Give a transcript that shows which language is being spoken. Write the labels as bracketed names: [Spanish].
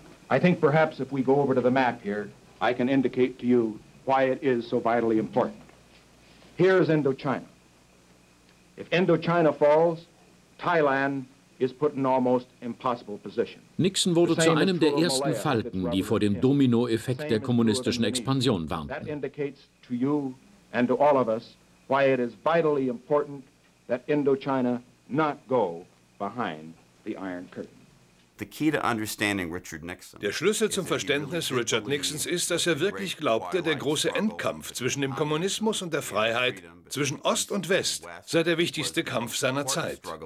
[English] I think perhaps if we go over to the map here, I can indicate to you why it is so vitally important. Here is Indochina. If Indochina falls, Thailand is put in almost impossible position. [German] Nixon wurde zu einem der ersten Falken, die vor dem Dominoeffekt der kommunistischen Expansion warnten. [English] That indicates to you and to all of us why it is vitally important that Indochina not go behind the Iron Curtain. [German] Der Schlüssel zum Verständnis Richard Nixons ist, dass er wirklich glaubte, der große Endkampf zwischen dem Kommunismus und der Freiheit, zwischen Ost und West, sei der wichtigste Kampf seiner Zeit.